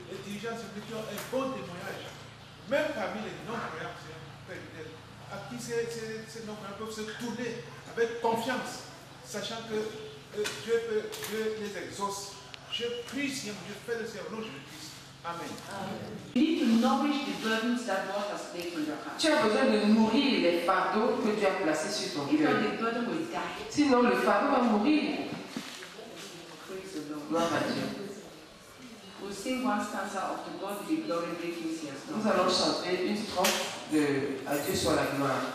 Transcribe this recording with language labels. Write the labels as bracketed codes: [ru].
[fr] Des dirigeants, Seigneur Dieu, qui ont un bon témoignage. Même parmi les non-croyants, Seigneur, à qui ces non-croyants peuvent se tourner avec confiance, sachant que Dieu les exauce. Je prie, Seigneur Dieu, fais le Seigneur, au nom de Jésus-Christ. Amen. Amen. [en] You need to nourish the burdens that God has placed on your heart. [fr] Tu as besoin de nourrir les fardeaux que tu as placés sur ton cœur. [en] If not, the burden will die. [fr] Sinon, le fardeau va mourir. [en] Praise the Lord. [fr] Gloire à Dieu. [en] We'll sing one stanza of the God with the glory breaking his [fr] nous allons chanter une strophe de A Dieu soit la gloire.